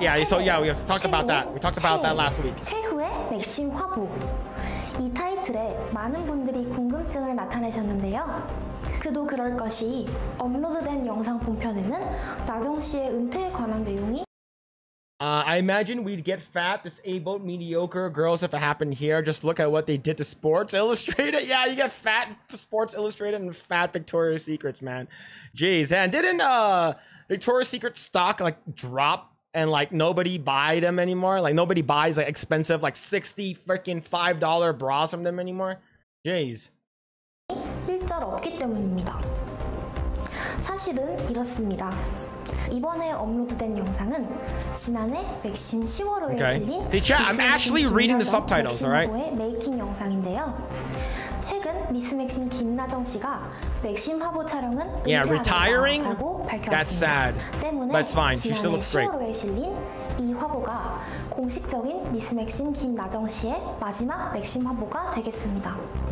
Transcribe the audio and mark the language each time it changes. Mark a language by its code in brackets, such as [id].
[en] We have to talk about that. We talked about that last week. [ko] 최후의 맥심 화보. 이 타이틀에 많은 분들이 궁금증을 나타내셨는데요. 그도 그럴 것이 업로드된 영상 본편에는 나정 씨의 은퇴에 관한 내용이. [en] I imagine we'd get fat, disabled, mediocre girls if it happened here. Just look at what they did to Sports Illustrated. Yeah, you get fat Sports Illustrated and fat Victoria's Secrets, man. Jeez, and didn't Victoria's Secret stock like drop and like nobody buy them anymore? Like nobody buys like expensive like $65 bras from them anymore? Jeez. [ko] 일절 없기 때문입니다. 사실은 이렇습니다. 이번에 업로드된 영상은 지난해 맥심 10월호에 [en] okay. [ko] 실린 [en] chat, I'm actually reading the subtitles, all right? [ko] 메이킹 영상인데요. 최근 미스 맥심 김나정 씨가 맥심 화보 촬영은 은퇴하고 밝혔습니다. [en] That's fine. She still looks great. [ko] 지난해 10월호에 실린 이 화보가 공식적인 미스 맥심 김나정 씨의 마지막 맥심 화보가 되겠습니다.